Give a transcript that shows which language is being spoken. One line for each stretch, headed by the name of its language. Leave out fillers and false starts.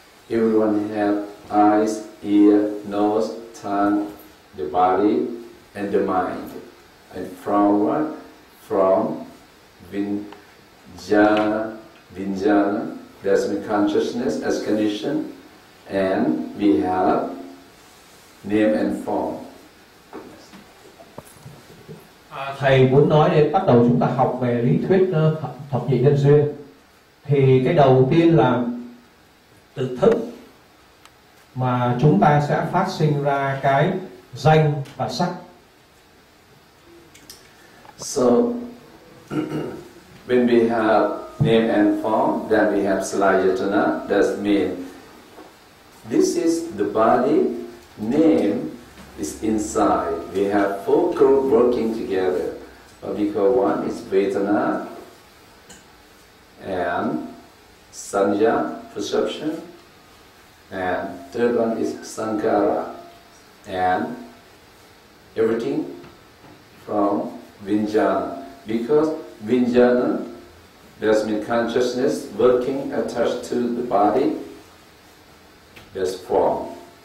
English: Everyone had eyes, ear, nose, tongue, the body, and the mind. And from what? From vijnana, that's the consciousness as condition, and we have name and form.
Vietnamese: Thầy muốn nói để bắt đầu chúng ta học về lý thuyết thập nhị nhân duyên thì cái đầu tiên là tự thức, mà chúng ta sẽ phát sinh ra cái danh và sắc.
English: So when we have name and form, then we have Salayatana. That means this is the body, name is inside. We have four group working together. But because one is Vedana and Sanya, perception, and third one is Sankara, and everything from Vijnana, because Vijnana, that's mean consciousness working attached to the body, that's form.